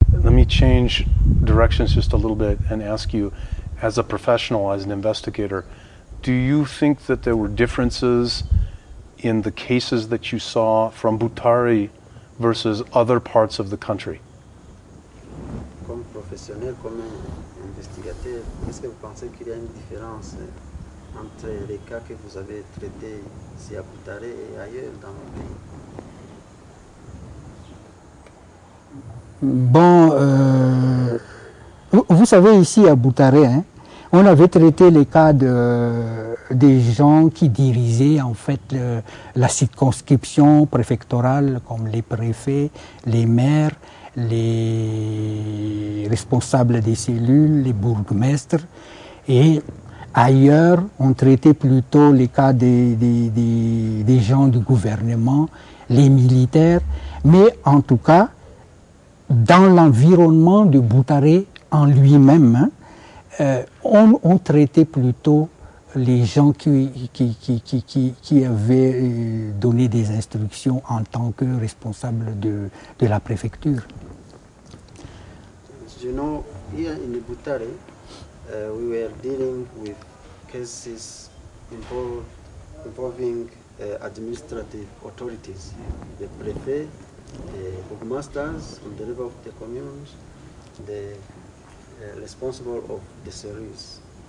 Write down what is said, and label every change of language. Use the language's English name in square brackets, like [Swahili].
[English] me change directions just a little bit and ask you, as a professional, as an investigator, do you think that there were differences in the cases that you saw from Butare versus other parts of the country? [French] Comme professionnel, comme investigateur, est-ce que vous pensez qu'il y a une différence entre les cas que vous avez traités ici à Butare et ailleurs dans le pays? Bon, vous savez, ici à Butare, hein, on avait traité les cas de des gens qui dirigeaient en fait la circonscription préfectorale, comme les préfets, les maires, les responsables des cellules, les bourgmestres. Et ailleurs, on traitait plutôt les cas des gens du gouvernement, les militaires. Mais en tout cas, dans l'environnement de Butare en lui-même, hein, on traitait plutôt les gens qui avaient donné des instructions en tant que responsables de la préfecture. [English] You know, here in Butare, we were dealing with cases involving administrative authorities, the préfet, the bourgmasters on the level of the communes, the responsible of the service.